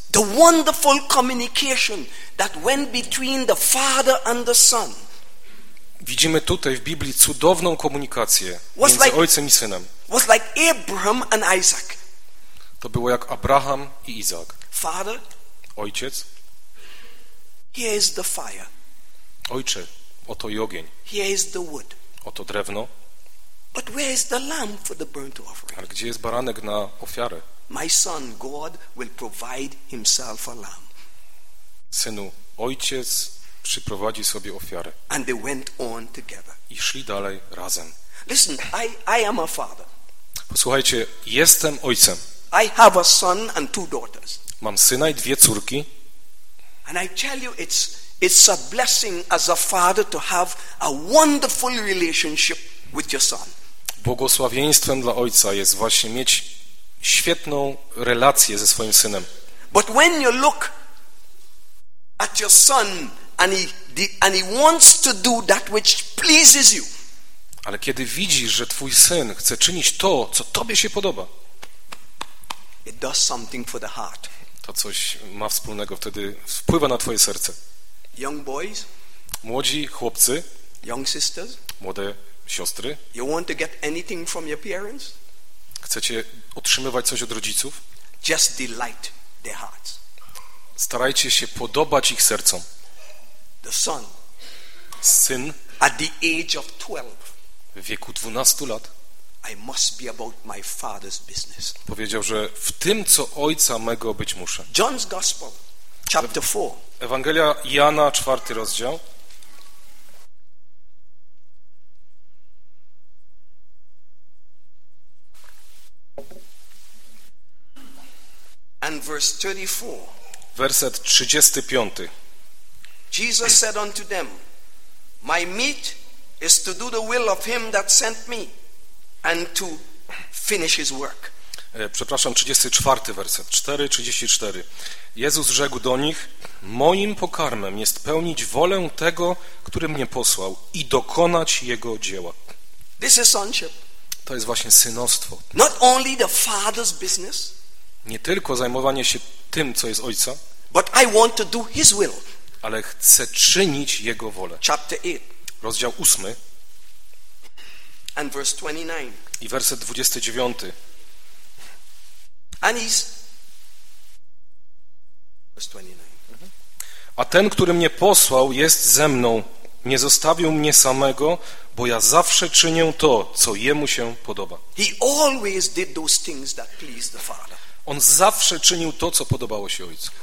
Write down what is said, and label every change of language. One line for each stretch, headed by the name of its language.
English: The wonderful communication that went between the father and the son.
Polish: Widzimy tutaj w Biblii cudowną komunikację między
English: like,
Polish: ojcem i synem.
English: Was like Abraham and Isaac.
Polish: To było jak Abraham i Izak.
English: Father,
Polish: ojciec.
English: Here is the fire.
Polish: Ojcze, oto i ogień.
English: Here is the wood.
Polish: Oto drewno.
English: But where is the lamb for the burnt offering?
Polish: Ale gdzie jest baranek na ofiarę?
English: My son, God will provide himself a lamb.
Polish: Synu, ojciec przyprowadzi sobie ofiarę.
English: And they went on together.
Polish: I szli dalej razem.
English: Listen, I am a father.
Polish: Posłuchajcie, jestem ojcem.
English: I have a son and two daughters.
Polish: Mam syna i dwie córki.
English: And I tell you, it's a blessing as a father to have a wonderful relationship with your son.
Polish: Błogosławieństwem dla ojca jest właśnie mieć świetną relację ze swoim synem.
English: But when you look at your son and he wants to do that which pleases you.
Polish: Ale kiedy widzisz, że twój syn chce czynić to, co tobie się podoba.
English: It does something for the heart.
Polish: To coś ma wspólnego, wtedy wpływa na twoje serce.
English: Young boys,
Polish: młodzi chłopcy,
English: young sisters,
Polish: młode siostry,
English: you want to get anything from your parents?
Polish: Chcecie otrzymywać coś od rodziców?
English: Just delight their hearts.
Polish: Starajcie się podobać ich sercom.
English: The son,
Polish: syn,
English: at the age of 12,
Polish: w wieku 12 lat,
English: I must be about my father's business.
Polish: Powiedział, że w tym, co ojca mego być muszę.
English: John's Gospel, chapter 4.
Polish: Ewangelia Jana, 4 rozdział.
English: And verse 34.
Polish: Werset 35.
English: Jesus said unto them, my meat is to do the will of him that sent me and to finish his work.
Polish: Przepraszam, 34 werset. 4:34. Jezus rzekł do nich: moim pokarmem jest pełnić wolę tego, który mnie posłał i dokonać jego dzieła.
English: This is sonship.
Polish: To jest właśnie synostwo.
English: Not only the father's business.
Polish: Nie tylko zajmowanie się tym, co jest ojca.
English: But I want to do his will.
Polish: Ale chcę czynić jego wolę.
English: Chapter 8.
Polish: Rozdział 8.
English: And verse 29.
Polish: I werset 29.
English: And he's... Verse 29.
Polish: A ten, który mnie posłał, jest ze mną. Nie zostawił mnie samego, bo ja zawsze czynię to, co jemu się podoba.
English: He always did those things that pleased the Father.
Polish: On zawsze czynił to, co podobało się ojcu.